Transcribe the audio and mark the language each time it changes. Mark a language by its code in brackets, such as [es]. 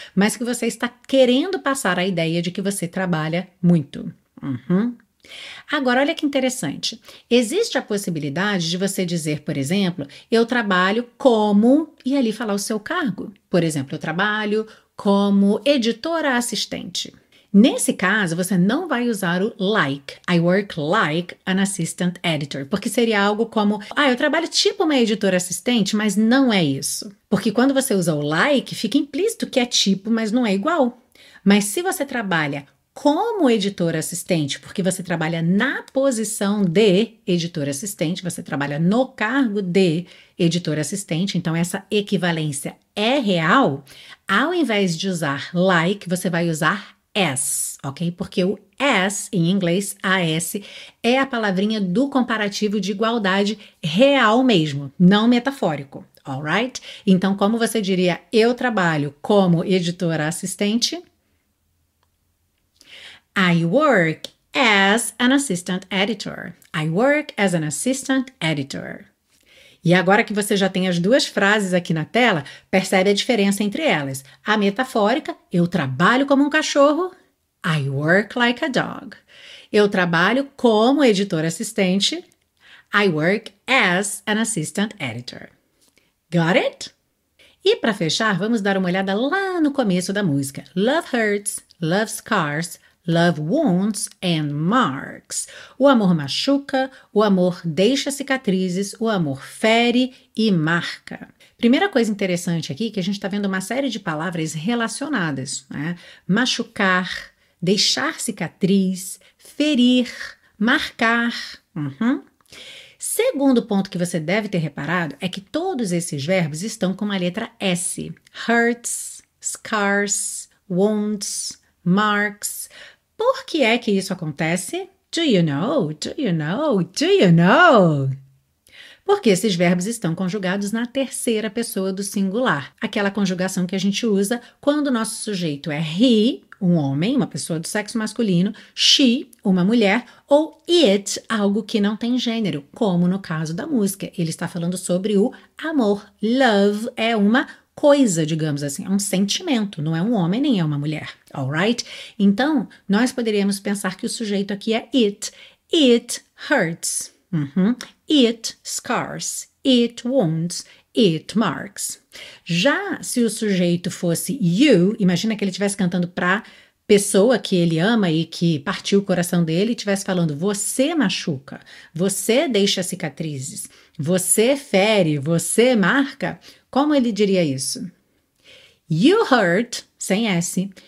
[pt] Mas que você está querendo passar a ideia de que você trabalha muito. Uhum. Agora, olha que interessante. Existe a possibilidade de você dizer, por exemplo, eu trabalho como, e ali falar o seu cargo. Por exemplo, eu trabalho como editora assistente. Nesse caso, você não vai usar o like. [en] I work like an assistant editor. [pt] Porque seria algo como, ah, eu trabalho tipo uma editora assistente, mas não é isso. Porque quando você usa o like, fica implícito que é tipo, mas não é igual. Mas se você trabalha como editora assistente, porque você trabalha na posição de editora assistente, você trabalha no cargo de editora assistente, então essa equivalência é real, ao invés de usar like, você vai usar as, ok? Porque o as em inglês, as, é a palavrinha do comparativo de igualdade real mesmo, não metafórico, alright? Então, como você diria, eu trabalho como editora assistente? [en] I work as an assistant editor. I work as an assistant editor. [pt] E agora que você já tem as duas frases aqui na tela, percebe a diferença entre elas. A metafórica, eu trabalho como um cachorro, [en] I work like a dog. [pt] Eu trabalho como editor assistente, [en] I work as an assistant editor. Got it? [pt] E para fechar, vamos dar uma olhada lá no começo da música. [en] Love hurts, love scars, Love wounds and marks. [pt] O amor machuca, o amor deixa cicatrizes, o amor fere e marca. Primeira coisa interessante aqui é que a gente está vendo uma série de palavras relacionadas, né? Machucar, deixar cicatriz, ferir, marcar. Segundo ponto que você deve ter reparado é que todos esses verbos estão com a letra S. [en] Hurts, scars, wounds, marks. [pt] Por que é que isso acontece? [en] Do you know? Do you know? Do you know? [pt] Porque esses verbos estão conjugados na terceira pessoa do singular. Aquela conjugação que a gente usa quando o nosso sujeito é he, um homem, uma pessoa do sexo masculino, she, uma mulher, ou it, algo que não tem gênero, como no caso da música. Ele está falando sobre o amor. Love é uma coisa, digamos assim, é um sentimento, não é um homem nem é uma mulher, alright? Então, nós poderíamos pensar que o sujeito aqui é it. [en] It hurts, It scars, it wounds, it marks. [pt] Já se o sujeito fosse you, imagina que ele estivesse cantando para pessoa que ele ama e que partiu o coração dele e estivesse falando, você machuca, você deixa cicatrizes, você fere, você marca. Como ele diria isso? [en] You hurt, [pt] sem S.